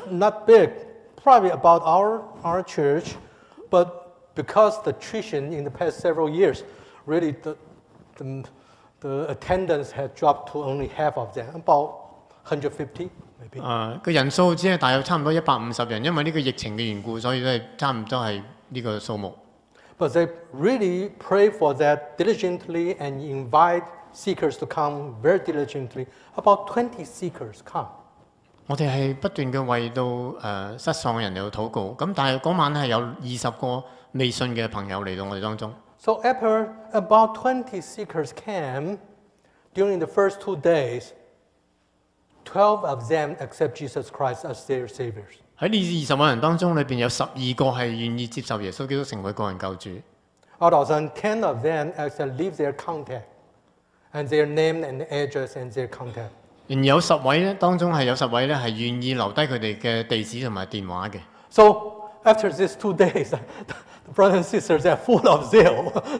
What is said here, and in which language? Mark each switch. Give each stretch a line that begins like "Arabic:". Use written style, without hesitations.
English: Church is not big, probably about our church, but because the tradition in the past several years, really the attendance had dropped to only half of that, about 150 maybe.
Cantonese: 個人數只係大約差唔多150人，因為呢個疫情嘅緣故，所以都係差唔多係呢個數目。
English: But they really pray for that diligently and invite seekers to come very diligently. About 20 seekers come.
Cantonese: 我哋係不斷嘅為到失喪嘅人嚟到禱告。咁但係嗰晚係有20個未信嘅朋友嚟到我哋當中。
English: So after about 20 seekers came during the first 2 days, 12 of them accept Jesus Christ as their saviors.
Cantonese: 在呢20万人当中，里边有12个系愿意接受耶稣基督成为个人救主。
English: Out of them, 10 of them actually leave their contact and their name and address and their contact.
Cantonese: 然有十位咧，当中系有十位咧系愿意留低佢哋嘅地址同埋电话嘅。
English: So after these 2 days, the brothers and sisters are full of zeal.